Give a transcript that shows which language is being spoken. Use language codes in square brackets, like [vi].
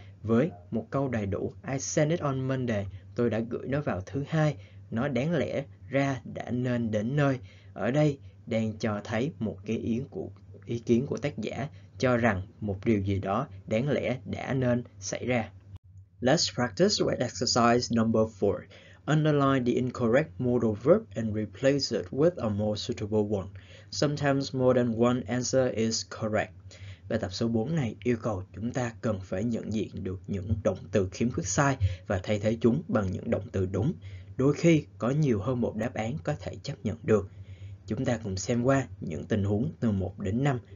[vi] Với một câu đầy đủ, [en] I sent it on Monday. [vi] Tôi đã gửi nó vào thứ hai. Nó đáng lẽ ra đã nên đến nơi. Ở đây đang cho thấy một cái ý kiến của tác giả cho rằng một điều gì đó đáng lẽ đã nên xảy ra. [en] Let's practice with exercise number 4. Underline the incorrect modal verb and replace it with a more suitable one. Sometimes more than one answer is correct. [vi] Bài tập số 4 này yêu cầu chúng ta cần phải nhận diện được những động từ khiếm khuyết sai và thay thế chúng bằng những động từ đúng. Đôi khi có nhiều hơn một đáp án có thể chấp nhận được. Chúng ta cùng xem qua những tình huống từ 1 đến 5